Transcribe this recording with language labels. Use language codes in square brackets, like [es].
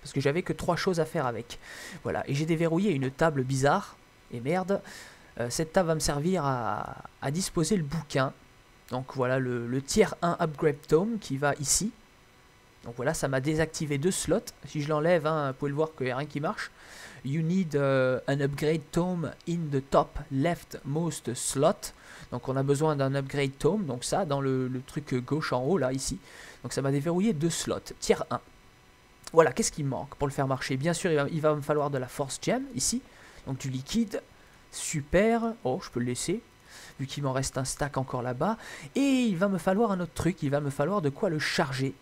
[fr] Parce que j'avais que 3 choses à faire avec. Voilà. Et j'ai déverrouillé une table bizarre. Et merde. Cette table va me servir à disposer le bouquin. Donc voilà le tiers 1 upgrade tome qui va ici. Donc voilà, ça m'a désactivé 2 slots. Si je l'enlève, hein, vous pouvez le voir qu'il n'y a rien qui marche. [en] You need an upgrade tome in the top leftmost slot. [fr] Donc on a besoin d'un upgrade tome, donc ça, dans le truc gauche en haut, là, ici. Donc ça m'a déverrouillé 2 slots, tiers 1. Voilà, qu'est-ce qui me manque pour le faire marcher? Bien sûr, il va me falloir de la force gem, ici. Donc du liquide, super. Oh, je peux le laisser, vu qu'il m'en reste un stack encore là-bas. Et il va me falloir un autre truc, il va me falloir de quoi le charger.